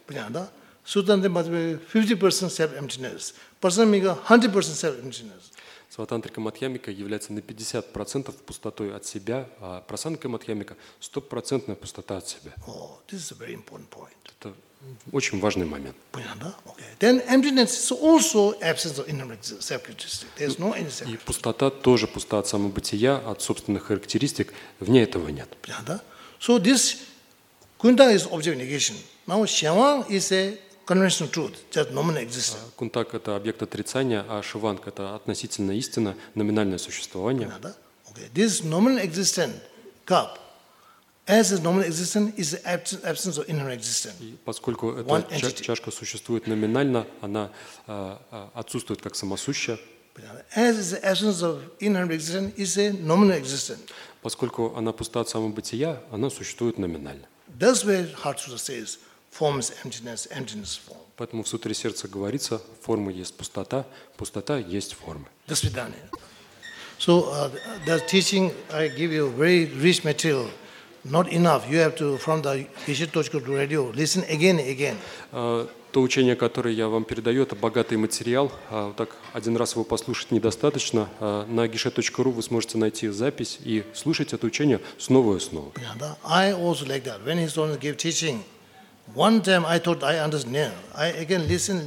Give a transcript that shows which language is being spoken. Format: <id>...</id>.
<ru>Понятно, да? Суттантри Мадхьямика 50% self-emptiness. Прасангья 100% self-emptiness. Сватантрика Мадхьямика является на 50% пустотой от себя, а Прасангья Мадхьямика 100% пустота от себя.</ru> <en>Oh, this is a very important point.</en> <ru>Это очень важный момент. Понятно, да?</ru> <en>Okay. Then emptiness is also absence of inherent self-characteristic. There's no any self-characteristic.</en> <ru>И пустота тоже пуста от самобытия, от собственных характеристик. В ней этого нет. Понятно, да?</ru> <en>So this Kundang is object negation. Now Shivang is a conventional truth, just nominal existence.</en> <ru>Кунтак – это объект отрицания, а Шиванг – это относительная истина, номинальное существование. Понятно, да?</ru> <en>Okay. This nominal existent cup, as is nominal existent, is the absence of inherent existence.</en> <ru>И поскольку эта чашка существует номинально, она отсутствует как самосущая.</ru> <en>As is the absence of inherent existence, is a nominal existence.</en> <ru>Поскольку она пуста от самобытия, она существует номинально.</ru> <en>That's where Heart Sutra says, form is emptiness, emptiness form.</en> <ru>Поэтому в Сутре Сердца говорится, форма есть пустота, пустота есть форма. До свидания.</ru> <en>So, the teaching, I give you very rich material. Not enough. You have to, from the Geshe-Toshkuru radio, listen again and again.</en> <ru>То учение, которое я вам передаю, это богатый материал. Так один раз его послушать недостаточно. На Geshe-Toshkuru вы сможете найти запись и слушать это учение снова и снова.</ru> <en>Yeah, that, I also like that. When his students give teaching, one time I thought I understand. I again listen.</en>